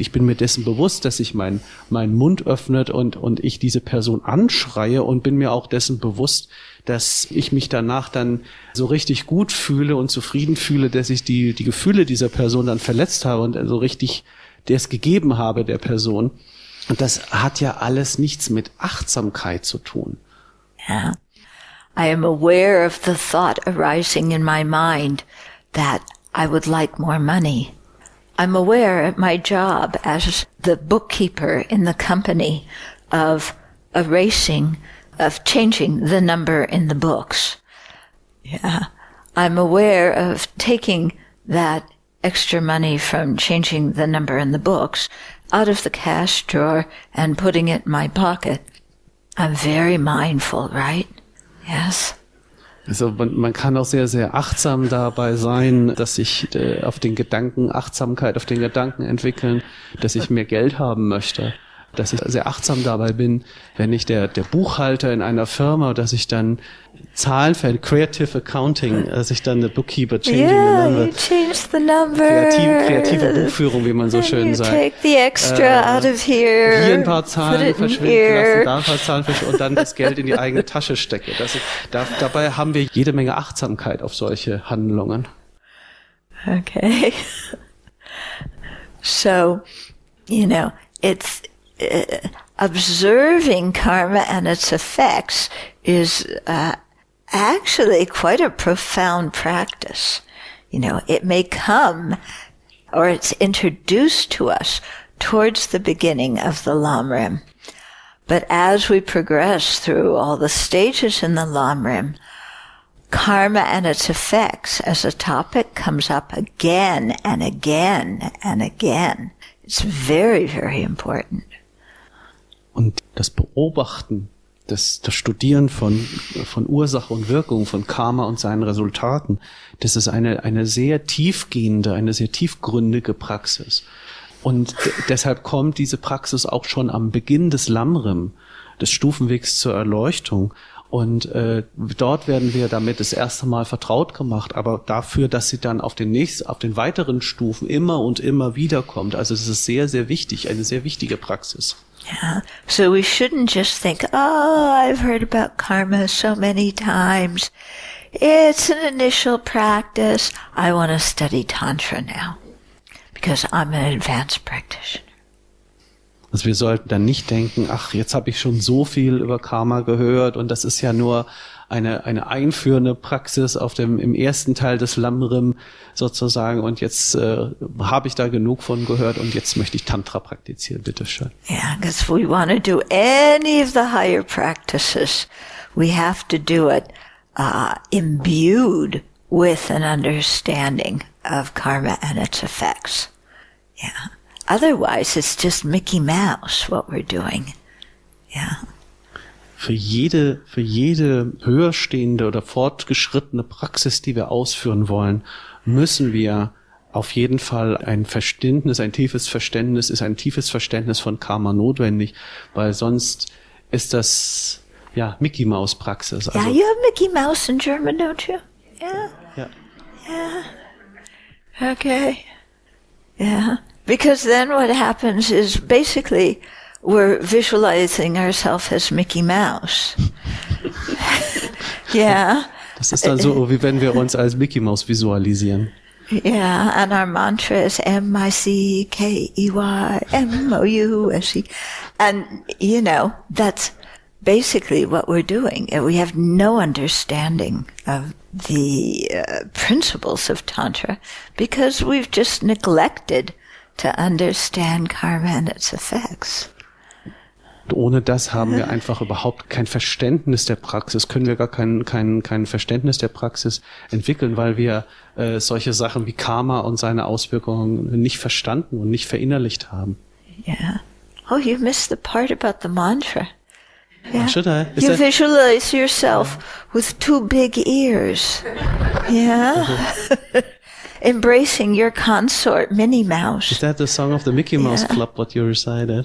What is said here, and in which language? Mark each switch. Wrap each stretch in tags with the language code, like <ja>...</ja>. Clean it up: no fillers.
<de>Ich bin mir dessen bewusst, dass sich mein Mund öffnet und ich diese Person anschreie und bin mir auch dessen bewusst, dass ich mich danach dann so richtig gut fühle und zufrieden fühle, dass ich die Gefühle dieser Person dann verletzt habe und so richtig das gegeben habe der Person. Und das hat ja alles nichts mit Achtsamkeit zu tun. Ja.</de> <en>I am aware of the thought arising in my mind that I would like more money. I'm aware at my job as the bookkeeper in the company of changing the number in the books. Yeah. I'm aware of taking that extra money from changing the number in the books out of the cash drawer and putting it in my pocket. I'm very mindful, right? Yes.</en> <de>Also man kann auch sehr, sehr achtsam dabei sein, dass ich auf den Gedanken Achtsamkeit, auf den Gedanken entwickeln, dass ich mehr Geld haben möchte. dass ich sehr achtsam dabei bin, wenn ich der Buchhalter in einer Firma, dass ich dann Zahlen für Creative Accounting, dass ich dann eine</de> <en>Bookkeeper changing the number. You change the number.</en> <de>Kreative Buchführung, wie man so schön sagt.</de> <en>Take the extra out of here.</en> <de>Hier ein paar Zahlen verschwinden lassen, da ein paar Zahlen verschwinden und dann das Geld in die eigene Tasche stecke. Dabei haben wir jede Menge Achtsamkeit auf solche Handlungen.</de> <en>Okay. So, you know, it's observing karma and its effects is actually quite a profound practice. You know, it may come, or it's introduced to us towards the beginning of the Lamrim. But as we progress through all the stages in the Lamrim, karma and its effects as a topic comes up again and again and again. It's very, very important.</en> <de>Und das Beobachten, das Studieren von Ursache und Wirkung, von Karma und seinen Resultaten, das ist eine sehr tiefgehende, eine sehr tiefgründige Praxis. Und deshalb kommt diese Praxis auch schon am Beginn des Lamrim, des Stufenwegs zur Erleuchtung. Und dort werden wir damit das erste Mal vertraut gemacht, aber dafür, dass sie dann auf den weiteren Stufen immer und immer wieder kommt. Also es ist sehr, sehr wichtig, eine sehr wichtige Praxis.</de> <en>Yeah, so we shouldn't just think, oh, I've heard about karma so many times. It's an initial practice. I want to study Tantra now, because I'm an advanced practitioner.</en> <de>Also wir sollten dann nicht denken, ach, jetzt habe ich schon so viel über Karma gehört und das ist ja nur eine einführende Praxis im ersten Teil des Lamrim sozusagen und jetzt habe ich da genug von gehört und jetzt möchte ich Tantra praktizieren, bitteschön.</de> <en>Yeah, because we want to do any of the higher practices, we have to do it imbued with an understanding of karma and its effects. Yeah, otherwise it's just Mickey Mouse what we're doing. Yeah.</en> <de>Für jede höherstehende oder fortgeschrittene Praxis, die wir ausführen wollen, müssen wir auf jeden Fall ein tiefes Verständnis von Karma notwendig, weil sonst ist das ja Mickey Mouse Praxis.</de> <en>Also, yeah, you have Mickey Mouse in German, don't you? Yeah. Yeah. Yeah. Okay. Yeah. Because then what happens is basically we're visualizing ourselves as Mickey Mouse. Yeah.</en> <de>Das ist dann so, wie wenn wir uns als Mickey Mouse visualisieren.</de> <en>Yeah, and our mantra is MICKEYMOUSE. And, you know, that's basically what we're doing. We have no understanding of the principles of Tantra because we've just neglected to understand karma and its effects.</en> <de>Ohne das haben wir einfach überhaupt kein Verständnis der Praxis, können wir gar kein Verständnis der Praxis entwickeln, weil wir solche Sachen wie Karma und seine Auswirkungen nicht verstanden und nicht verinnerlicht haben.</de> <en>Yeah. Oh, you missed the part about the mantra. Yeah. Should I? You visualize yourself with two big ears. Yeah. Embracing your consort, Minnie Mouse. Is that the song of the Mickey Mouse Club, what you recited?</en>